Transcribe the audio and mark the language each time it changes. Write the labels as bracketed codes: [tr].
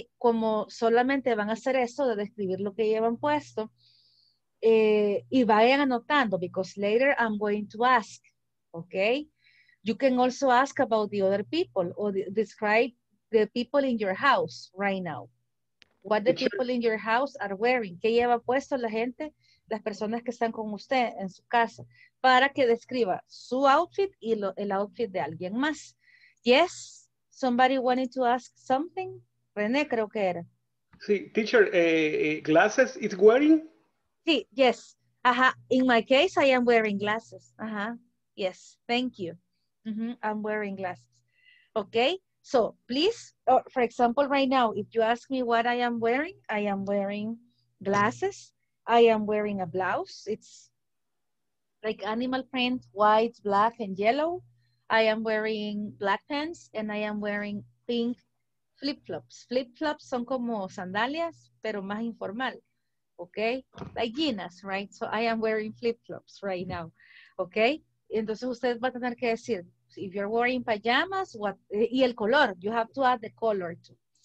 [es] Como solamente van a hacer esto de describir lo que llevan puesto, y vayan anotando, [en] because later I'm going to ask, [es] ¿ok? [en] You can also ask about the other people or describe the people in your house right now. What the people in your house are wearing. [es] ¿Qué lleva puesto la gente, las personas que están con usted en su casa? Para que describa su outfit y lo, el outfit de alguien más. [en] Yes, somebody wanted to ask something. René, [es] creo que era. [en] Sí, teacher, glasses is wearing? Sí, yes. Ajá. In my case, I am wearing glasses. Ajá. Yes, thank you. Mm-hmm. I'm wearing glasses. Okay, so please, for example, right now, if you ask me what I am wearing glasses. I am wearing a blouse. It's like animal print, white, black, and yellow. I am wearing black pants, and I am wearing pink flip-flops. [es] Flip-flops son como sandalias, pero más informal. [en] Okay, like Gina's, right? So I am wearing flip-flops right now. Okay, [es] entonces usted va a tener que decir, [en] if you're wearing pajamas, what, [es] y el color, [en] you have to add the color too.